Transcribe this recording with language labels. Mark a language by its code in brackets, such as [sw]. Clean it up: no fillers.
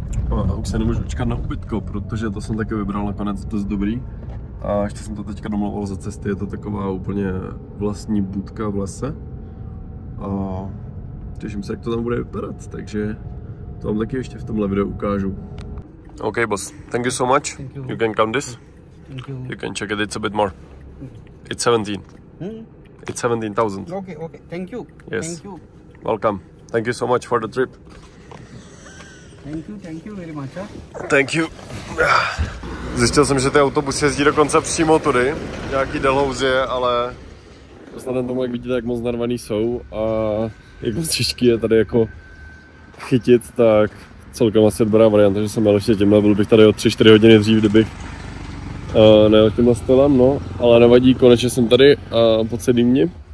[cs] A už se nemůžu čekat na ubytko, protože to jsem taky vybral nakonec dost dobrý. A ještě jsem to teďka domlouval za cesty, je to taková úplně vlastní budka v lese. A těším se, jak to tam bude vypadat, takže to vám taky ještě v tomhle videu ukážu. [en] OK boss, thank you so much. Thank you. You can count this. Thank you. You can check it, it's a bit more. It's 17. It's 17,000. Okay, thank you. Yes. Thank you. Welcome. Thank you so much for the trip. Thank you very much. Thank you. [cs] Zjistil jsem, že ty autobus jezdí dokonce přímo tudy. Nějaký Dalhousie, ale Vzhledem tomu, jak vidíte, jak moc narvaný jsou a jak moc těžký je tady jako chytit, tak celkem asi dobrá varianta, že jsem jel ještě tímhle, byl bych tady o 3-4 hodiny dřív, kdybych nejel tímhle stylem, no, ale nevadí, konečně jsem tady po celý dní.